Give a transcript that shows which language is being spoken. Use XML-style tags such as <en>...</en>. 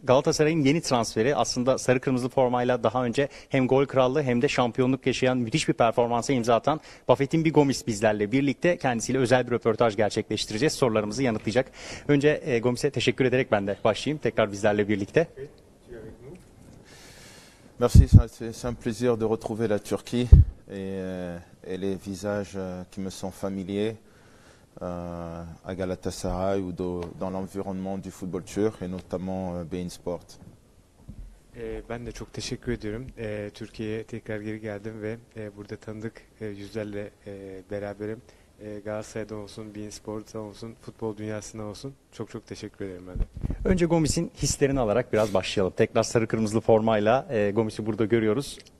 <tr>Galatasaray'ın yeni transferi aslında sarı kırmızı formayla daha önce hem gol krallığı hem de şampiyonluk yaşayan müthiş bir performansa imza atan Bafétimbi Gomis bizlerle birlikte. Kendisiyle özel bir röportaj gerçekleştireceğiz. Sorularımızı yanıtlayacak. Önce Gomis'e teşekkür ederek ben de başlayayım. Tekrar bizlerle birlikte.</tr> <fr>Merci, c'est un plaisir de retrouver la Turquie et les visages qui me sont familiers à Galatasaray ou dans l'environnement du football turc et notamment beIN Sport.</fr> <tr>Ben de çok teşekkür ediyorum. Türkiye'ye tekrar geri geldim ve burada tanıdık yüzlerle beraberim. Galatasaray'da olsun, beIN Sport'ta olsun, futbol dünyasında olsun. Çok çok teşekkür ederim ben de. Önce Gomis'in hislerini alarak biraz başlayalım. Tekrar sarı kırmızılı formayla Gomis'i burada görüyoruz.</tr>